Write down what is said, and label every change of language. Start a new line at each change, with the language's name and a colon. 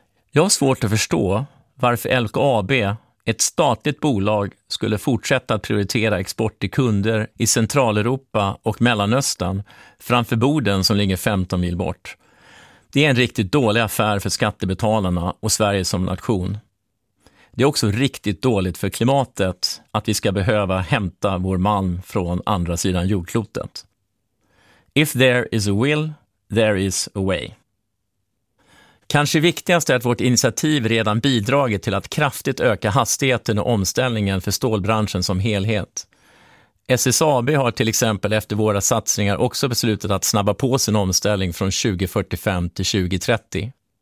Swedish: Jag har svårt att förstå varför LKAB, ett statligt bolag, skulle fortsätta att prioritera export till kunder i Centraleuropa och Mellanöstern framför Boden som ligger 15 mil bort. Det är en riktigt dålig affär för skattebetalarna och Sverige som nation. Det är också riktigt dåligt för klimatet att vi ska behöva hämta vår malm från andra sidan jordklotet.
English: If there is a will, there is a way.
Swedish: Kanske viktigast är att vårt initiativ redan bidragit till att kraftigt öka hastigheten och omställningen för stålbranschen som helhet. SSAB har till exempel efter våra satsningar också beslutat att snabba på sin omställning från 2045 till 2030.